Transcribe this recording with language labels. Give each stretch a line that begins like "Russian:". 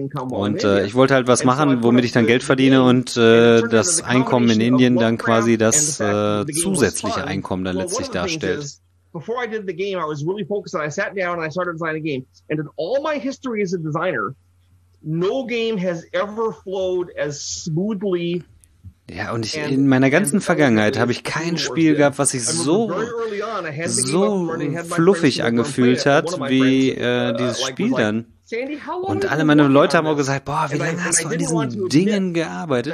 German: Und ich wollte halt was machen, womit ich dann Geld verdiene und das Einkommen in Indien dann quasi das zusätzliche Einkommen dann letztlich darstellt.
English: Before I did the game, I was really focused. I sat down and I started designing a game. And in all my history as a designer, no game has ever flowed as smoothly.
German: Ja, und ich, in meiner ganzen Vergangenheit habe ich kein Spiel gehabt, was sich so, so fluffig angefühlt hat, wie dieses Spiel dann. Und alle meine Leute haben auch gesagt, boah, wie lange hast du an diesen Dingen gearbeitet?